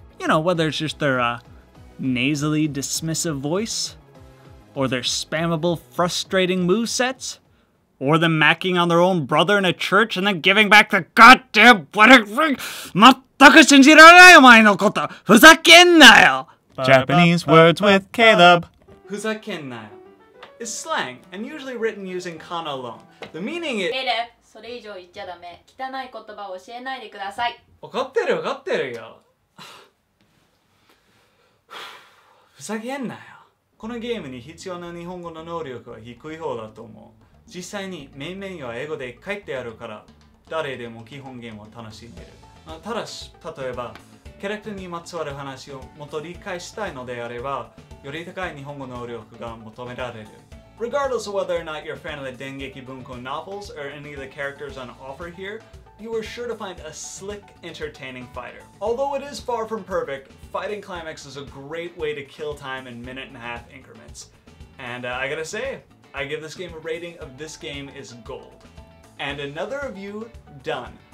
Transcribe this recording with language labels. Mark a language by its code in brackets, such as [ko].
[en] You know, whether it's just their, nasally dismissive voice, or their spammable, frustrating movesets, or them macking on their own brother in a church and then giving back the goddamn wedding ring. [ja] Mattaku shinjirarenai omae no koto. Fuzaken nayo. [en] Japanese words with Caleb. Fuzaken nayo is slang and usually written using kana alone. The meaning is. [ja] Caleb, それ以上言っちゃダメ。汚い言葉を教えないでください。わかってるわかってるよ。ふざけんなよ。このゲームに必要な日本語の能力は低い方だと思う。実際にメインメニューは英語で書いてあるから、誰でも基本ゲームを楽しんでる。ただし、例えば、キャラクターにまつわる話をもっと理解したいのであれば、より高い日本語能力が求められる。 [en] Regardless of whether or not you're a fan of the Dengeki Bunko novels or any of the characters on offer here, you are sure to find a slick, entertaining fighter. Although it is far from perfect, Fighting Climax is a great way to kill time in minute and a half increments. And I gotta say, I give this game a rating of this game is gold. And another review done.